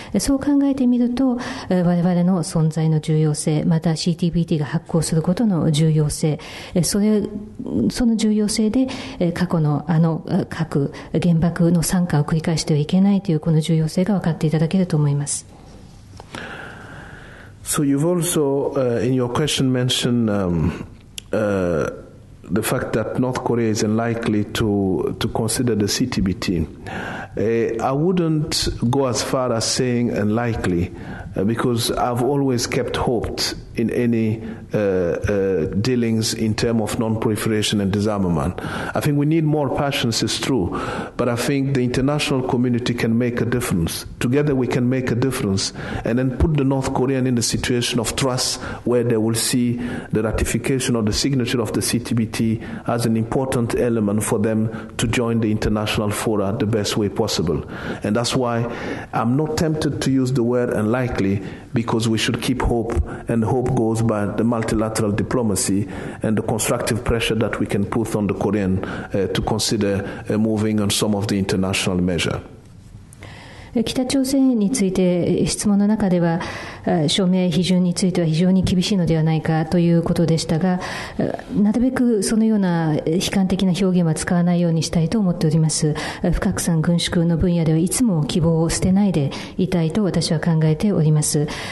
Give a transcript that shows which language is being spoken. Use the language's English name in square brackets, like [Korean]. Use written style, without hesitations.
[Japanese] そう考えてみると、我々の存在の重要性、また CTBT が発行することの重要性、その重要性で過去のあの核原爆の惨禍を繰り返してはいけないというこの重要性が分かっていただけると思います。 [English] So you've also in your question mentioned the fact that North Korea is unlikely to consider the CTBT. I wouldn't go as far as saying unlikely, because I've always kept hope in any dealings in terms of non-proliferation and disarmament. I think we need more patience, it's true, but I think the international community can make a difference. Together we can make a difference and then put the North Korean in the situation of trust where they will see the ratification or the signature of the CTBT as an important element for them to join the international fora the best way possible. And that's why I'm not tempted to use the word unlikely, because we should keep hope, and hope goes by the multilateral diplomacy and the constructive pressure that we can put on the Korean to consider moving on some of the international measure. [Japanese] 北朝鮮について質問の中では、署名批准については非常に厳しいのではないかということでしたが、なるべくそのような悲観的な表現は使わないようにしたいと思っております。不拡散軍縮の分野ではいつも希望を捨てないでいたいと私は考えております。